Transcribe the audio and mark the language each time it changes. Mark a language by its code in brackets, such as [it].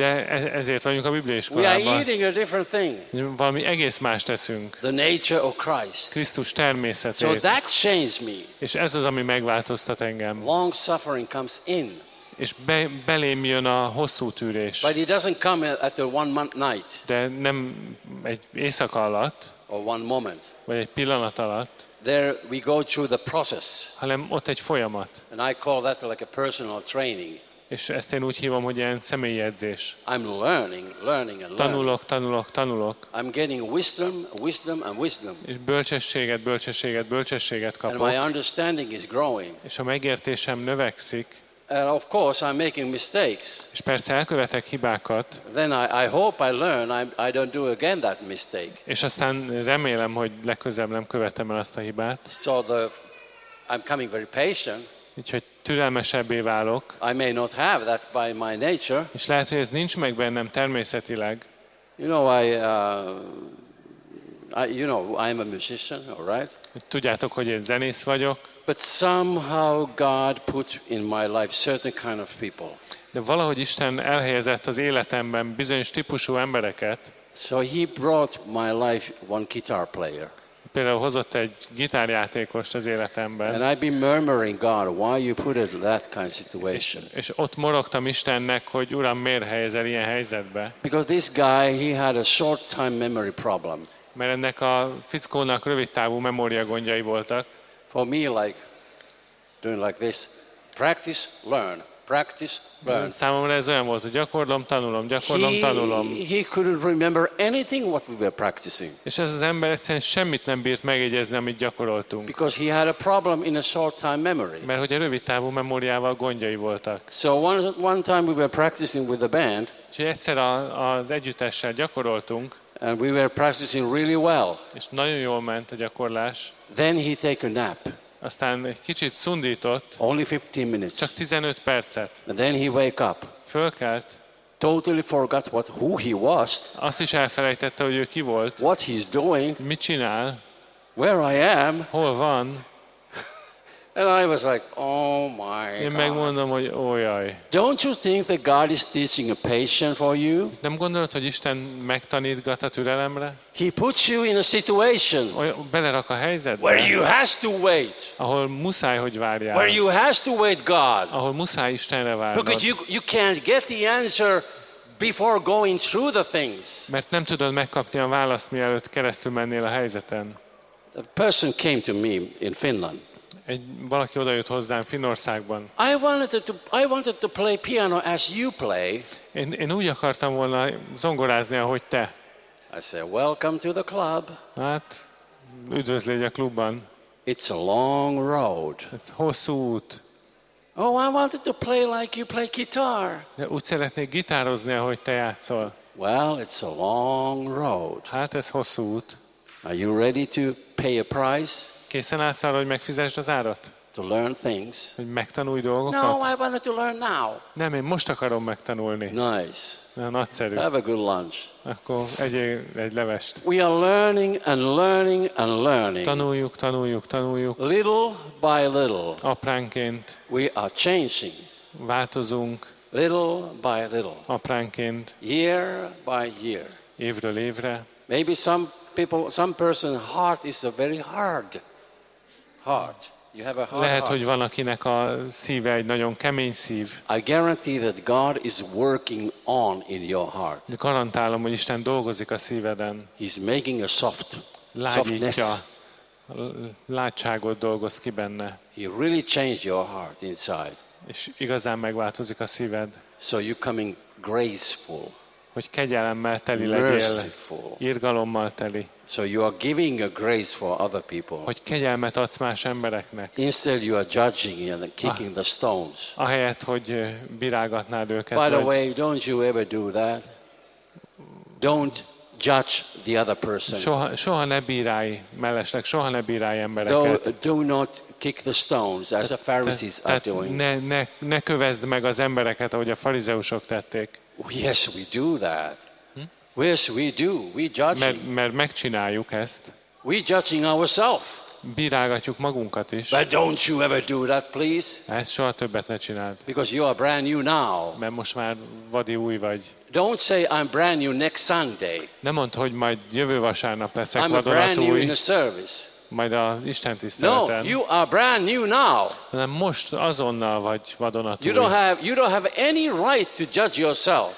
[hu] De ezért vagyunk a Biblia iskolában. [en] We are eating a different thing. [hu] Valami egész más teszünk. [en] The nature of Christ. [hu] Krisztus természetét. [en] So that changed me. [hu] És ez az, ami megváltoztat engem. [en] Long suffering comes in. [hu] És belém jön a hosszú tűrés. [en] But it doesn't come at the one month night. [hu] De nem egy éjszaka alatt. [en] Or one moment. [hu] Vagy egy pillanat alatt. [en] There we go through the process. [hu] Hanem ott egy folyamat. [en] And I call that like a personal training. [hu] És ezt én úgy hívom, hogy ilyen személyi edzés. [en] I'm learning and [hu] tanulok. [en] I'm getting wisdom and wisdom. [hu] És bölcsességet kapok. [en] And my understanding is growing. [hu] És a megértésem növekszik. [en] And of course I'm making mistakes. [hu] És persze elkövetek hibákat. [en] Then I hope I learn. I don't do again that mistake. [hu] És aztán remélem, hogy legközelebb nem követem el azt a hibát. [en] So I'm coming very patient. [hu] Úgyhogy türelmesebbé válok. [en] I may not have that by my nature. [hu] És lehet, hogy ez nincs meg bennem természetileg. [en] You know I'm a musician, all right? [hu] Tudjátok, hogy én zenész vagyok. [en] But somehow God put in my life certain kind of people. [hu] De valahogy Isten elhelyezett az életemben bizonyos típusú embereket. [en] So he brought my life one guitar player. [hu] Például hozott egy gitárjátékost az életemben. [en] And I've been murmuring God, why you put it that kind of situation. [hu] És ott morogtam Istennek, hogy Uram, miért helyezel ilyen helyzetbe? [en] Because this guy, he had a short time memory problem. [hu] Mert ennek a fickónak rövid távú memória gondjai voltak. [en] For me, like doing like this, practice, learn, practice, learn. [hu] Számomra ez olyan volt, hogy gyakorlom, tanulom. [en] He couldn't remember anything what we were practicing. [hu] És ez az ember egyszerűen semmit nem bírt megjegyezni, amit gyakoroltunk. [en] Because he had a problem in a short time memory. [hu] Mert hogy a rövid távú memóriával gondjai voltak. [en] So one time we were practicing with the band. [hu] És egyszer az együttessel gyakoroltunk. [en] And we were practicing really well. [hu] És nagyon jól ment a gyakorlás. [en] Then he take a nap. [hu] Aztán egy kicsit szundított. [en] Only 15 minutes. [hu] Csak 15 percet. [en] And then he wake up. [hu] Fölkelt. [en] Totally forgot who he was. [hu] Azt is elfelejtette, hogy ő ki volt. [en] What he's doing. [hu] Mit csinál. [en] Where I am. [hu] Hol van. [en] And I was like, oh my God. [hu] Én megmondom, hogy ojaj. [en] Don't you think that God is teaching a patience for you? [hu] Nem gondolod, hogy Isten megtanítgat a türelemre? [en] He puts you in a situation. [hu] Belerak a helyzetbe. [en] Where you have to wait. [hu] Ahol muszáj, hogy várjál. [en] Where you have to wait God. [hu] Ahol muszáj Istenre várnod. [en] Because you can't get the answer before going through the things. [hu] Mert nem tudod megkapni a választ, mielőtt keresztül mennél a helyzeten. [en] A person came to me in Finland. [hu] Egy valaki odajött hozzám Finnországban. [en] I wanted to play piano as you play. [hu] Én úgy akartam volna zongorázni, ahogy te. [en] I said, welcome to the club. [hu] Hát, üdvözlégy a klubban. [en] It's a long road. [hu] Ez hosszú út. [en] Oh, I wanted to play like you play guitar. [hu] De úgy szeretnék gitározni, ahogy te játszol. [en] Well, it's a long road. [hu] Hát ez hosszú út. [en] Are you ready to pay a price? [hu] Készen állsz arra, hogy megfizesd az árat? [en] To learn things. [hu] Hogy megtanulj dolgokat? [en] No, I wanted to learn now. [hu] Nem, én most akarom megtanulni. [en] Nice. [hu] Na, nagyszerű. [en] Have a good lunch. [hu] Akkor egy levest. [en] We are learning and learning and learning. [hu] Tanuljuk, tanuljuk, tanuljuk. [en] Little by little. [hu] Apránként. [en] We are changing. [hu] Változunk. [en] Little by little. [hu] Apránként. [en] Year by year. [hu] Évről évre. [en] Maybe some person's heart is a very hard heart. You have a hard [hu] Lehet, hogy van akinek a szíve egy nagyon kemény szív. [en] I guarantee that God is working on in your heart. [hu] De garantálom, hogy Isten dolgozik a szíveden. [en] He's making a soft, softness. [hu] Látságot dolgoz ki benne. [en] He really changed your heart inside. [hu] És igazán megváltozik a szíved. [en] So you're coming graceful. [hu] Hogy kegyelemmel teli legyél, irgalommal teli. [en] So you are giving a grace for other people. [hu] Hogy kegyelmet adsz más embereknek. [en] Instead you are judging and kicking the stones. [hu] Ahelyett, hogy virágatnád őket. [en] By the way, don't you ever do that? Don't judge the other person. [hu] Soha ne bírálj mellesleg, soha ne bírálj embereket. [en] Do not kick the stones as the Pharisees are doing. [hu] Ne kövezd meg az embereket, ahogy a farizeusok tették. [en] Yes, we do that. Yes, we do. We judge. [hu] Mert megcsináljuk ezt. [en] We judging ourselves. [hu] Bírálgatjuk magunkat is. [en] But don't you ever do that, please. [hu] Ezt soha többet ne csináld. [en] Because you are brand new now. [hu] Mert most már vadi új vagy. [en] Don't say I'm brand new next Sunday. [hu] Ne mondd, hogy majd jövő vasárnap leszek vadonatúj. [en] I'm brand new in the service. [hu] Majd a Isten tiszteleten. [en] No, you are brand new now. [hu] Nem most azonnal vagy vadonatúj. [en] You don't have any right to judge yourself.